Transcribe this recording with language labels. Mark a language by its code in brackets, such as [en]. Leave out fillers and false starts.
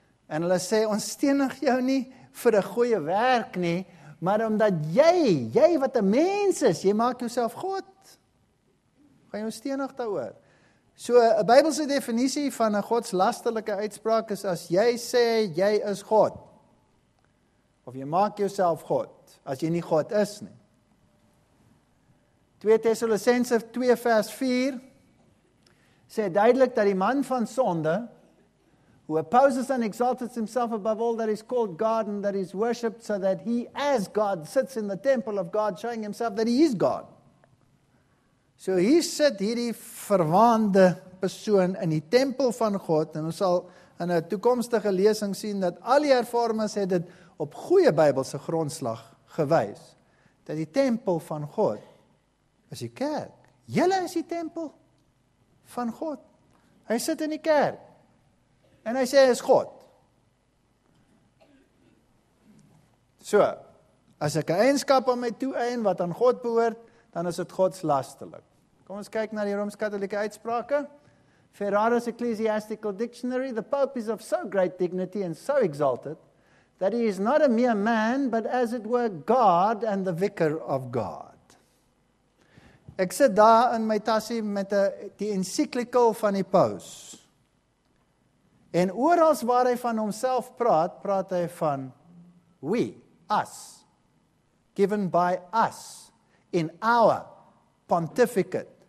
[af] En hulle sê, ons steenig jou nie vir 'n goeie werk nie, maar omdat jy wat 'n mens is, jy maak jouself God. Gaan jou steenig daaroor. So, 'n Bybelse definisie van 'n Gods lasterlike uitspraak is as jy sê jy is God. Of jy maak jouself God, as jy nie God is nie. 2 Tessalonsense 2 vers 4 sê duidelik dat die man van sonde, [en] who opposes and exalts himself above all that is called God and that is worshipped so that he as God sits in the temple of God showing himself that he is God. [af] So hier sit hierdie verwaande persoon in die tempel van God en ons sal in 'n toekomstige lesing sien dat al die hervormers het dit op goeie Bybelse grondslag gewys. Dat die tempel van God is die kerk. Julle is die tempel van God. Hy sit in die kerk en hy sê hy is God. So, as ek 'n eienskap aan my toe-eien wat aan God behoort, dan is dit godslasterlik. Kom ons kyk na die Rooms-Katolieke uitsprake. [en] Ferraris Ecclesiastical Dictionary, the Pope is of so great dignity and so exalted, that he is not a mere man, but as it were God and the vicar of God. [af] Ek sit daar in my tassie met die encyclical van die paus. En oral waar hy van homself praat, praat hy van [en] we, us, given by us, in our pontificate.